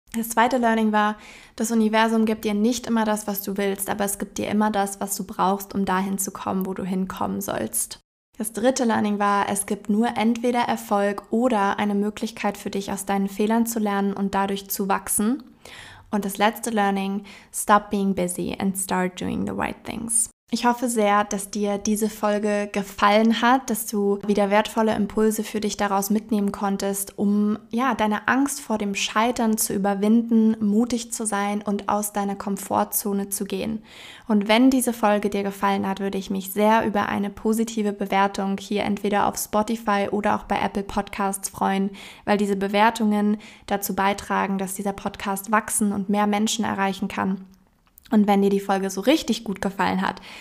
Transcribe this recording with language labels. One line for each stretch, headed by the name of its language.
German: Das zweite Learning war, das Universum gibt dir nicht immer das, was du willst, aber es gibt dir immer das, was du brauchst, um dahin zu kommen, wo du hinkommen sollst. Das dritte Learning war, es gibt nur entweder Erfolg oder eine Möglichkeit für dich, aus deinen Fehlern zu lernen und dadurch zu wachsen. Und das letzte Learning,
English: stop being busy and start doing the right things.
German: Ich hoffe sehr, dass dir diese Folge gefallen hat, dass du wieder wertvolle Impulse für dich daraus mitnehmen konntest, um ja deine Angst vor dem Scheitern zu überwinden, mutig zu sein und aus deiner Komfortzone zu gehen. Und wenn diese Folge dir gefallen hat, würde ich mich sehr über eine positive Bewertung hier entweder auf Spotify oder auch bei Apple Podcasts freuen, weil diese Bewertungen dazu beitragen, dass dieser Podcast wachsen und mehr Menschen erreichen kann. Und wenn dir die Folge so richtig gut gefallen hat,